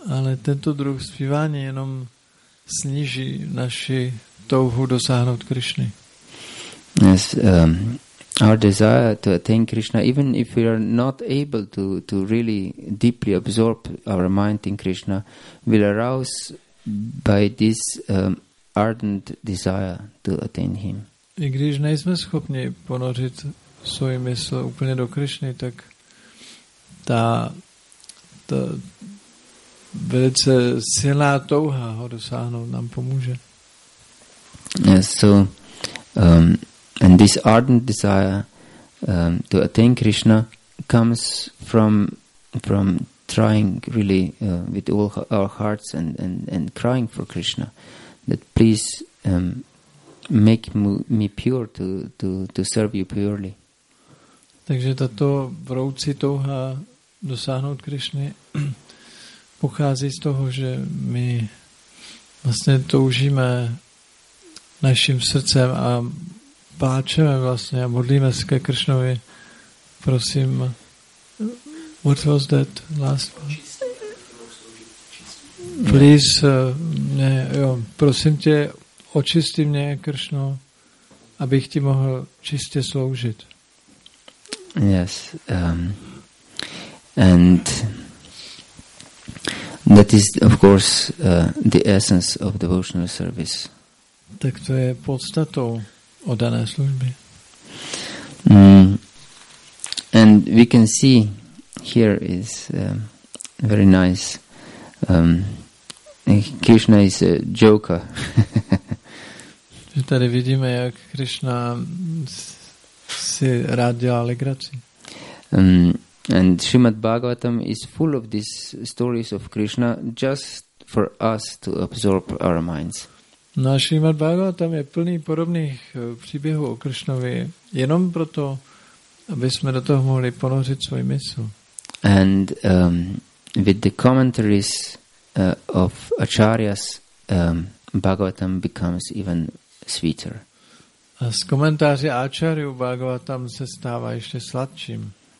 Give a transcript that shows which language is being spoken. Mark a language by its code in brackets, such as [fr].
[cs] Ale tento druh zpívání jenom sníží naši touhu dosáhnout Krishny. [en] Yes, our desire to attain Krishna, even if we are not able to really deeply absorb our mind in Krishna, will arouse by this ardent desire to attain him. [cs] I když nejsme schopni ponořit svůj mysl úplně do Krishny, tak ta velice silná touha ho dosáhnout nám pomůže. [en] Yes, so and this ardent desire to attain Krishna comes from trying really with all our hearts and crying for Krishna that please make me pure to serve you purely. [cs] Takže tato vroucí touha dosáhnout Krishny pochází z toho, že my vlastně toužíme naším srdcem a pláčeme vlastně a modlíme se ke Krishnovi. [en] Prosím, what was that last one? [cs] Please, jo, prosím tě, očisti mě, Krishno, abych ti mohl čistě sloužit. [en] Yes, and that is, of course, the essence of devotional service. [cs] Tak to je podstatou oddané služby. [en] And we can see here is very nice. Krishna is a joker. [cs] Že tady vidíme, jak Krishna si rád dělá legraci. [en] And Srimad Bhagavatam is full of these stories of Krishna just for us to absorb our minds. [cs] No a Srimad Bhagavatam je plný podobných příběhů o Krishnovi jenom proto, aby jsme do toho mohli ponořit svůj mysl. [en] And with the commentaries of Acharyas, Bhagavatam becomes even sweeter. [cs] A z komentáři Acharyů Bhagavatam se stává ještě sladším.